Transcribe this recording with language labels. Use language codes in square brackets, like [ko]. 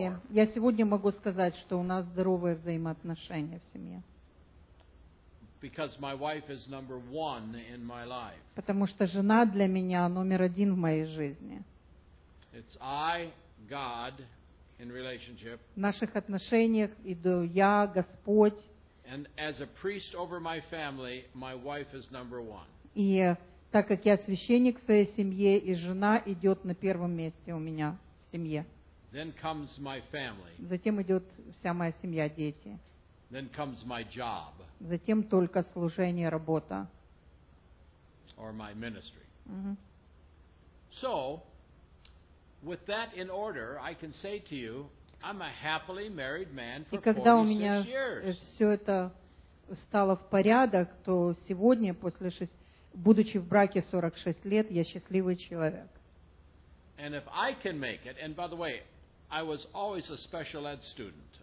[ru] я сегодня могу сказать, что у нас здоровые взаимоотношения в семье. [en] Because my wife is number one in my life. [ru] Потому что жена для меня номер один в моей жизни. [en] It's I, God, in relationship. [ru] В наших отношениях иду я, Господь. [en] And as a priest over my family, my wife is number one. [ru] И так как я священник в своей семье, и жена идет на первом месте у меня в семье. [en] Then comes my family. [ru] Затем идет вся моя семья, дети. [en] Then comes my job. [ru] Затем только служение, работа. [en] Or my ministry. So, with that in order, I can say to you, I'm a happily married man for 46 years. [ru] И когда у меня все это стало в порядок, то сегодня, после будучи в браке 46 лет, я счастливый человек. [en] And if I can make it, and by the way, I was always a special ed student.